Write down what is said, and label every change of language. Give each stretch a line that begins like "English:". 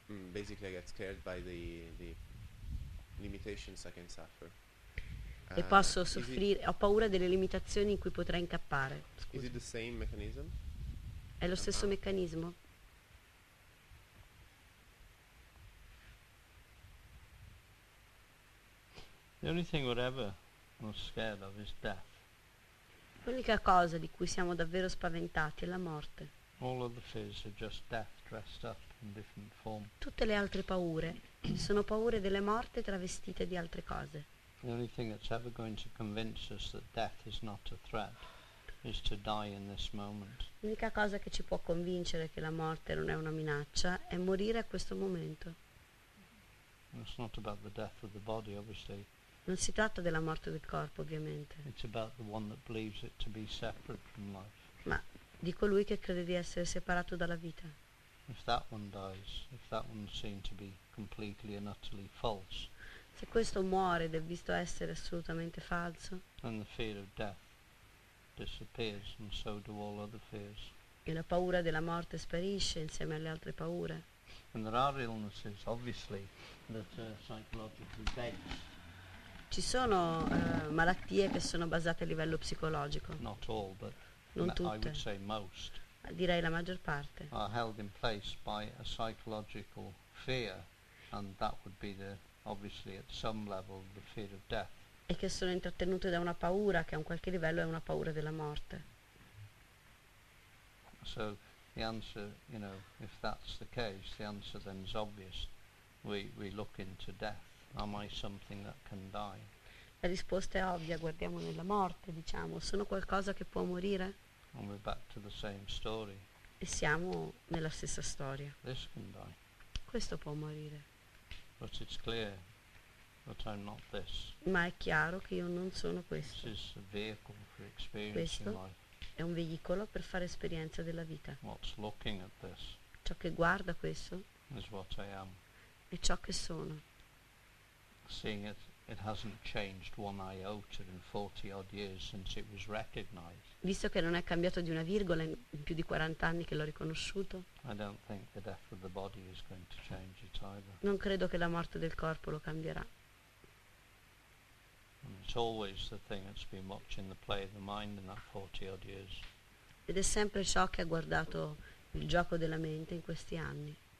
English: Basically I get scared by the limitations I can suffer.
Italian: E posso soffrire, ho paura delle limitazioni in cui potrei incappare. Scusa.
English: Is it the same mechanism?
Italian: È lo stesso meccanismo?
English: The only thing whatever I'm scared of is death.
Italian: L'unica cosa di cui siamo davvero spaventati è la morte.
English: All of the fears are just death dressed up. Different form.
Italian: Tutte le altre paure sono paure delle morte travestite di altre cose.
English: The only thing that's ever going to convince us that death is not a threat is to die in this moment.
Italian: L'unica cosa che ci può convincere che la morte non è una minaccia è morire a questo momento.
English: It's not about the death of the body, obviously.
Italian: Non si tratta della morte del corpo, ovviamente.
English: It's about the one that believes it to be separate from life.
Italian: Ma di colui che crede di essere separato dalla vita.
English: If that one dies, if that one seems to be completely and utterly false.
Italian: Se questo muore ed è visto essere assolutamente falso.
English: Then the fear of death disappears, and so do all other fears.
Italian: E la paura della morte sparisce insieme alle altre paure.
English: And there are illnesses, obviously, that are psychologically based.
Italian: Ci sono malattie che sono basate a livello psicologico.
English: Not all, but
Italian: non tutte.
English: I would say most.
Italian: Direi la maggior parte.
English: Are held in place by a psychological fear, and that would be the obviously at some level the fear of death.
Italian: E che sono intrattenute da una paura che a un qualche livello è una paura della morte.
English: So the answer, you know, if that's the case, the answer then is obvious. We look into death. Am I something that can die?
Italian: La risposta è ovvia, guardiamo nella morte, diciamo, sono qualcosa che può morire?
English: And we're back to the same story.
Italian: E siamo nella stessa storia.
English: This can die.
Italian: Questo può morire.
English: But it's clear that I'm not this.
Italian: Ma è chiaro che io non sono questo.
English: This is a vehicle for experiencing
Italian: questo
English: life.
Italian: È un veicolo per fare esperienza della vita.
English: What's looking at this?
Italian: Ciò che guarda questo
English: is what I am.
Italian: È ciò che sono.
English: Seeing it, it hasn't changed one iota in 40 odd years since it was recognized.
Italian: Visto che non è cambiato di una virgola in più di 40 anni che l'ho riconosciuto.
English: I don't think the death of the body is going to change it either.
Italian: Non credo che la morte del corpo lo cambierà.
English: And it's always the thing that's been watching the play of the mind in that 40 odd years.
Italian: Ed è sempre ciò che ha guardato il gioco della mente in questi anni.